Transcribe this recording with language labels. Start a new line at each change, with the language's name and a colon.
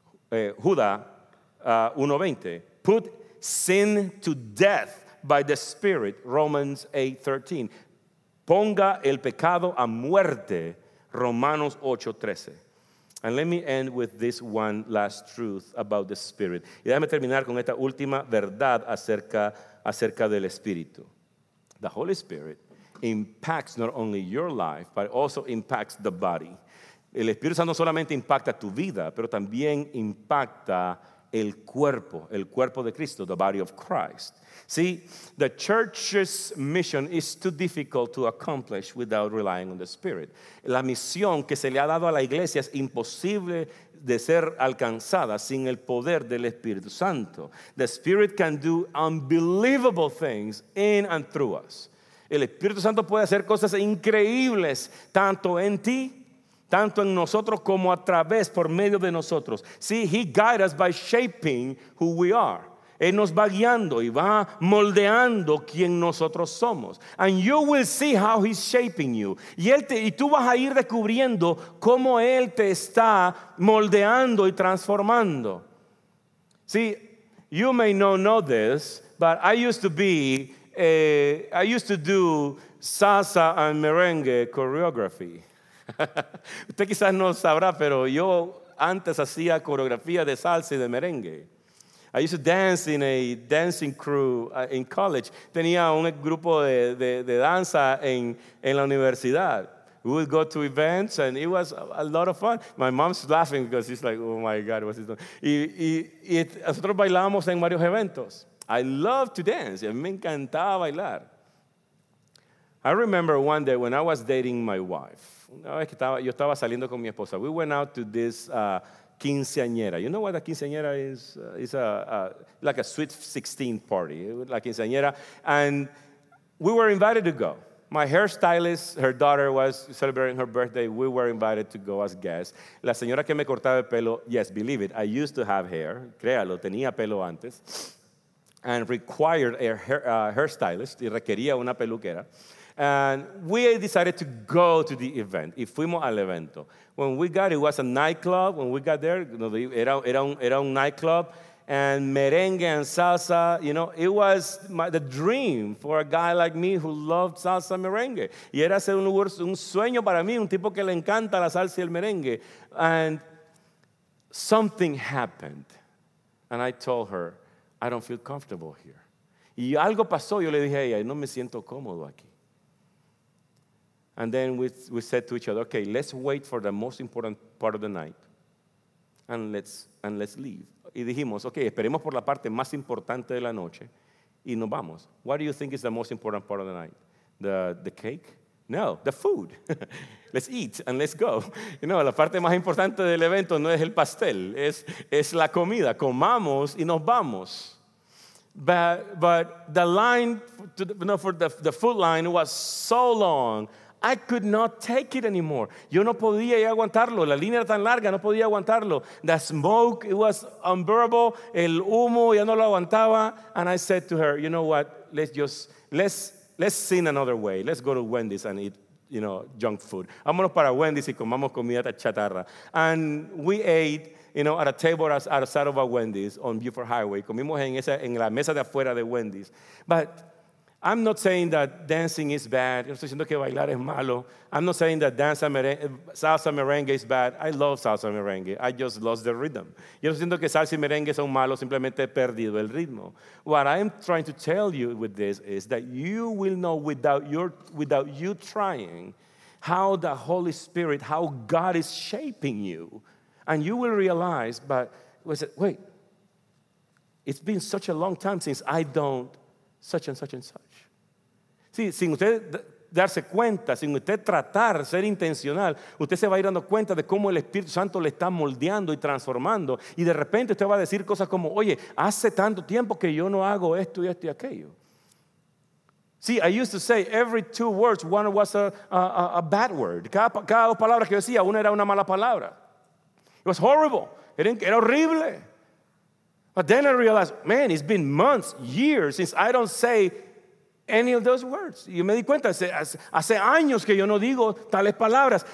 English: Judá 1:20, put sin to death by the Spirit, Romans 8:13.
Spanish: Ponga el pecado a muerte, Romanos 8:13.
English: And let me end with this one last truth about the Spirit.
Spanish: Y déjame terminar con esta última verdad acerca del Espíritu.
English: The Holy Spirit impacts not only your life, but also impacts the body.
Spanish: El Espíritu Santo no solamente impacta tu vida, pero también impacta el cuerpo de Cristo,
English: the body of Christ. See, the church's mission is too difficult to accomplish without relying on the Spirit.
Spanish: La misión que se le ha dado a la iglesia es imposible de ser alcanzada sin el poder del Espíritu Santo.
English: The Spirit can do unbelievable things in and through us.
Spanish: El Espíritu Santo puede hacer cosas increíbles tanto en ti, tanto en nosotros como a través, por medio de nosotros.
English: See, he guides us by shaping who we are.
Spanish: Él nos va guiando y va moldeando quién nosotros somos.
English: And you will see how he's shaping you.
Spanish: Y tú vas a ir descubriendo cómo Él te está moldeando y transformando.
English: See, you may not know this, but I used to do salsa and merengue choreography.
Spanish: Usted quizás no sabrá, pero yo antes hacía coreografía de salsa y de merengue.
English: I used to dance in a dancing crew in college.
Spanish: Tenía un grupo de danza en la universidad.
English: We would go to events and it was a lot of fun. My mom's laughing because she's like, oh my God, what's this?
Spanish: Y nosotros bailábamos en varios eventos.
English: I love to dance.
Spanish: Me encantaba bailar.
English: I remember one day when I was dating my wife.
Spanish: Una vez que estaba, yo estaba saliendo con mi esposa.
English: We went out to this quinceañera. You know what a quinceañera is? It's like a sweet 16 party, la quinceañera. And we were invited to go. My hairstylist, her daughter was celebrating her birthday. We were invited to go as guests.
Spanish: La señora que me cortaba el pelo,
English: yes, believe it, I used to have hair. Créalo, tenía pelo antes. And required a hairstylist, y requería una peluquera. And we decided to go to the event.
Spanish: Y fuimos al evento.
English: When we got, it was a nightclub. When we got there, you know,
Spanish: era un nightclub.
English: And merengue and salsa, you know, it was the dream for a guy like me who loved salsa merengue.
Spanish: Y era un sueño para mí, un tipo que le encanta la salsa y el merengue.
English: And something happened. And I told her, I don't feel comfortable here.
Spanish: Y algo pasó, yo le dije a ella, no me siento cómodo aquí.
English: And then we said to each other, okay, let's wait for the most important part of the night and let's leave.
Spanish: Y dijimos, okay, esperemos por la parte más importante de la noche y nos vamos.
English: What do you think is the most important part of the night? The cake? No, the food. Let's eat and let's go.
Spanish: You know, la parte más importante del evento no es el pastel, es la comida. Comamos y nos vamos.
English: But the line, for the food line was so long, I could not take it anymore.
Spanish: Yo no podía ya aguantarlo. La línea era tan larga, no podía aguantarlo.
English: The smoke, it was unbearable.
Spanish: El humo, ya no lo aguantaba.
English: And I said to her, you know what? Let's sing another way. Let's go to Wendy's and eat, you know, junk food.
Spanish: Vámonos para Wendy's y comamos comida chatarra.
English: And we ate, you know, at a table outside of a Wendy's on Buford Highway.
Spanish: Comimos en la mesa de afuera de Wendy's.
English: But I'm not saying that dancing is bad.
Spanish: Yo estoy diciendo que bailar es malo.
English: I'm not saying that salsa merengue is bad. I love salsa merengue. I just lost the rhythm.
Spanish: Yo estoy diciendo que salsa y merengue son malos. Simplemente he perdido el ritmo.
English: What I'm trying to tell you with this is that you will know without you trying how the Holy Spirit, how God is shaping you. And you will realize, but wait, it's been such a long time since I don't such and such and such.
Spanish: Sí, sin usted darse cuenta, sin usted tratar, ser intencional, usted se va a ir dando cuenta de cómo el Espíritu Santo le está moldeando y transformando. Y de repente usted va a decir cosas como, oye, hace tanto tiempo que yo no hago esto y esto y aquello.
English: Sí, I used to say every two words, one was a bad word.
Spanish: Cada dos palabras que yo decía, una era una mala palabra.
English: It was horrible.
Spanish: Era horrible.
English: But then I realized, man, it's been months, years since I don't say any of those words.
Spanish: Y me di cuenta, hace años que yo no digo tales palabras.